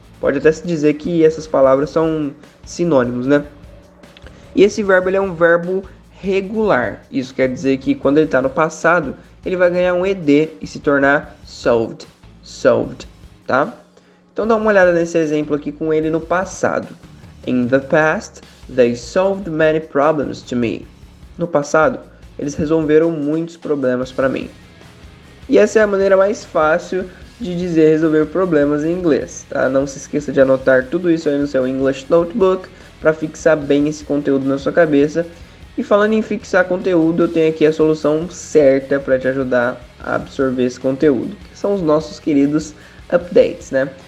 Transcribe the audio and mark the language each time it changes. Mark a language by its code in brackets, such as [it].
[pt] Pode até se dizer que essas palavras são sinônimos, né? E esse verbo, ele é um verbo regular. Isso quer dizer que quando ele está no passado, ele vai ganhar um ED e se tornar solved. Solved, tá? Então dá uma olhada nesse exemplo aqui com ele no passado. [en] In the past, they solved many problems to me. [pt] No passado, eles resolveram muitos problemas para mim. E essa é a maneira mais fácil de dizer resolver problemas em inglês, tá? Não se esqueça de anotar tudo isso aí no seu English Notebook para fixar bem esse conteúdo na sua cabeça. E falando em fixar conteúdo, eu tenho aqui a solução certa para te ajudar a absorver esse conteúdo, que são os nossos queridos updates, né?